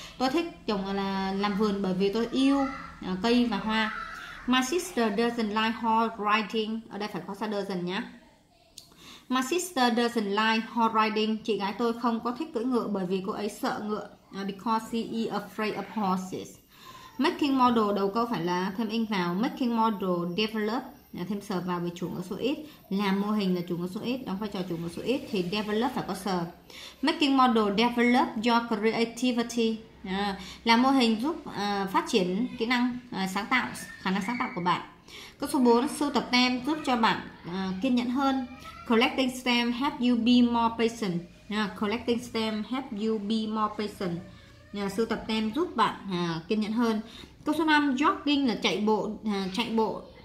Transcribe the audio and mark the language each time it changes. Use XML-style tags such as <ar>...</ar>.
<vi>Tôi thích trồng là làm vườn bởi vì tôi yêu cây và hoa.</vi> <en>My sister doesn't like horse riding.</en> <vi>Ở đây phải có xa doesn't nhé.</vi> <en>My sister doesn't like horse riding.</en> <vi>Chị gái tôi không có thích cưỡi ngựa bởi vì cô ấy sợ ngựa.</vi> <en>Because she is afraid of horses.</en> <vi>Making model đầu câu phải là thêm in vào. Making model develop thêm sờ vào với chủ ngữ số ít. Làm mô hình là chủ ngữ số ít, đóng vai trò chủ ngữ số ít thì develop phải có sờ.</vi> <en>Making model develop your creativity.</en> <vi>Làm mô hình giúp phát triển kỹ năng sáng tạo, khả năng sáng tạo của bạn. Câu số 4, sưu tập tem giúp cho bạn kiên nhẫn hơn.</vi> <en>Collecting stamp help you be more patient. Collecting stamp help you be more patient.</en> <vi>Sưu tập tem giúp bạn kiên nhẫn hơn. Câu số 5, jogging là chạy bộ.</vi>